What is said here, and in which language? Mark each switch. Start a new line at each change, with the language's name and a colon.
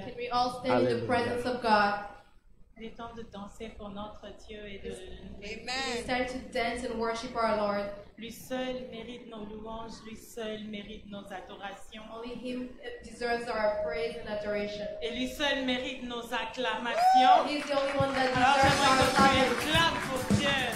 English: Can we all stand in the presence of God?
French: Il est temps de danser pour notre Dieu et de Amen.
English: It's time to dance and worship our Lord.
French: Lui seul mérite nos louanges, lui seul mérite nos adorations.
English: Only him deserves our praise and adoration.
French: Et lui seul mérite nos acclamations.
English: He is the only one that deserves our
French: acclamations. Clap pour Dieu.